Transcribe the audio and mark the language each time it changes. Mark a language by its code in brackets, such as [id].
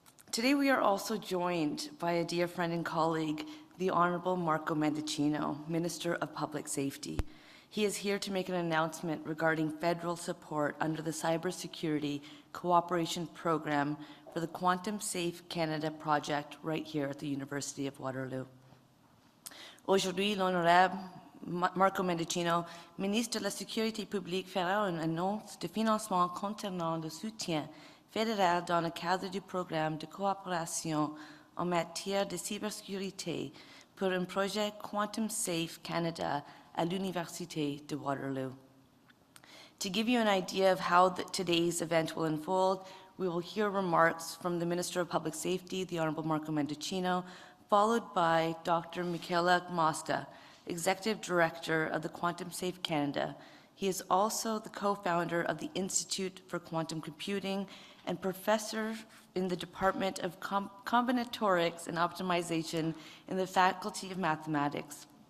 [en] Today we are also joined by a dear friend and colleague, the Honourable Marco Mendicino, Minister of Public Safety. He is here to make an announcement regarding federal support under the Cybersecurity Cooperation Program for the Quantum Safe Canada project right here at the University of Waterloo. [fr] Aujourd'hui, l'honorable Marco Mendicino, Ministre de la Sécurité publique, fera une annonce de financement concernant le soutien fédéral dans le cadre du programme de coopération en matière de cybersécurité pour un projet Quantum Safe Canada at l'Université de Waterloo. [en] To give you an idea of how today's event will unfold, we will hear remarks from the Minister of Public Safety, the Honourable Marco Mendicino, followed by Dr. Michele Mosca, Executive Director of the Quantum Safe Canada. He is also the co-founder of the Institute for Quantum Computing and professor in the Department of Combinatorics and Optimization in the Faculty of Mathematics.